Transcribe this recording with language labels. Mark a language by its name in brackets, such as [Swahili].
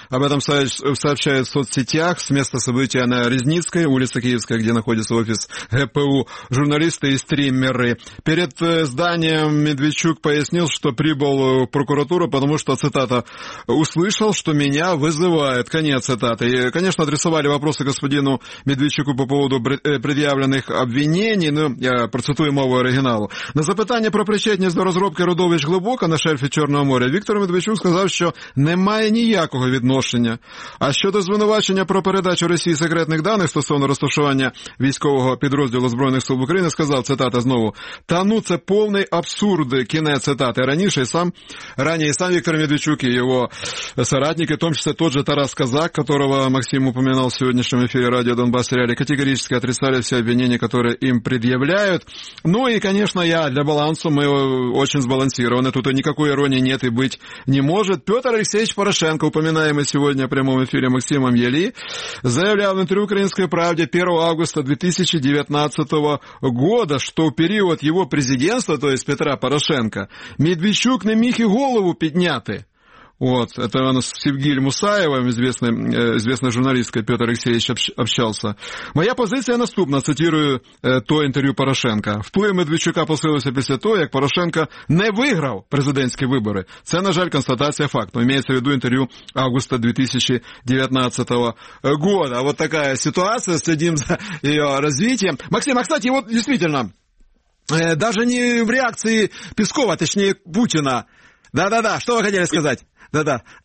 [Russian] Об этом сообщают в соцсетях с места события на Резницкой, улице Киевской, где находится офис ГПУ, журналисты и стримеры. Перед зданием Медведчук пояснил, что прибыл в прокуратуру, потому что, цитата, «услышал, что меня вызывают». Конец цитаты. И, конечно, адресовали вопросы господину Медведчуку по поводу предъявленных обвинений. [Ukrainian] Ну, я процитую мову оригіналу. На запитання про причетність до розробки родовищ глибоко на шельфі Чорного моря Віктор Медведчук сказав, що немає ніякого відношення. А щодо звинувачення про передачу Росії секретних даних стосовно розташування військового підрозділу Збройних сил України, сказав, цитата знову, «та ну це повний абсурд», кінець цитати. Раніше сам Віктор Медведчук і його соратники, в тому числі той же Тарас Казак, [Russian] которого [Ukrainian] Максим упоминав в сьогоднішньому ефірі Радіо Донбас Реалі, категорично [Russian] отрицали [Ukrainian] всі обвинення, які їм пред'являють. Ну і, звісно, я для балансу, ми дуже збалансовані, тут ніякої іронії [Russian] нет [Ukrainian] і бути не може. Петр Олексійович Порошенко, упоминаємо сьогодні в прямому ефірі Максимом Єлі, заявляв в інтерв'ю «Українській правді» 1 [Russian] августа [Ukrainian] 2019 року, що в період його президентства, [Russian] то есть [Ukrainian] Петра Порошенка, Медведчук не міг і голову підняти. [Russian] Вот, это у нас с Евгением Мусаевым, известной журналисткой, Петр Алексеевич общался. «Моя позиция [Ukrainian] наступна», [Russian] цитирую то интервью Порошенко. [Ukrainian] «Вплив Медведчука посилився після того, як Порошенко не виграв президентські вибори». Це, на жаль, констатація факту. [Russian] Имеется в виду интервью августа 2019 года. Вот такая ситуация, следим за ее развитием. Максим, а кстати, вот действительно, даже не в реакции Пескова, точнее Путина. Да-да-да, что вы хотели сказать? Да-да.